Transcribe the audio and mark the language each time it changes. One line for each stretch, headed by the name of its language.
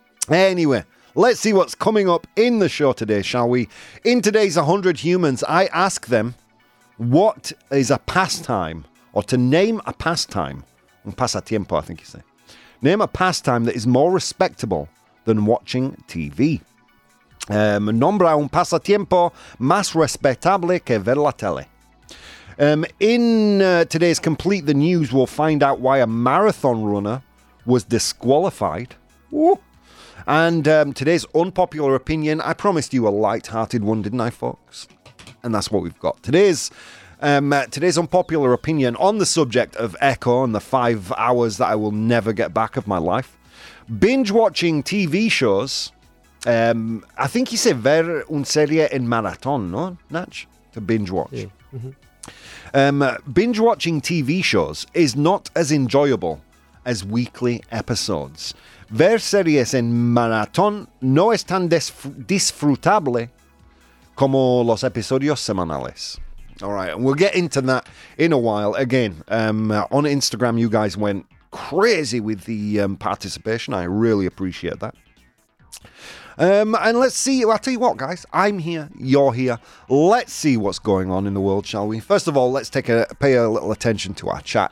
English: Anyway, let's see what's coming up in the show today, shall we? In today's 100 Humans, I ask them, what is a pastime, or to name a pastime,
Spanish: un pasatiempo,
English: I think you say. Name a pastime that is more respectable than watching TV.
Spanish: Nombra un pasatiempo más respetable que ver la tele.
English: Today's Complete the News, we'll find out why a marathon runner was disqualified. Ooh. And today's unpopular opinion, I promised you a light-hearted one, didn't I, folks? And that's what we've got. Today's unpopular opinion on the subject of Echo and the 5 hours that I will never get back of my life. Binge-watching TV shows... I think you say
Spanish: ver un serie en maratón, no,
English: Natch? To binge watch. Yeah. Mm-hmm. Binge watching TV shows is not as enjoyable as weekly episodes.
Spanish: Ver series en maratón no es tan disfrutable como los episodios semanales.
English: All right, and we'll get into that in a while. Again, on Instagram, you guys went crazy with the participation. I really appreciate that. And let's see, I'll tell you what, guys, I'm here, you're here. Let's see what's going on in the world, shall we? First of all, let's pay a little attention to our chat.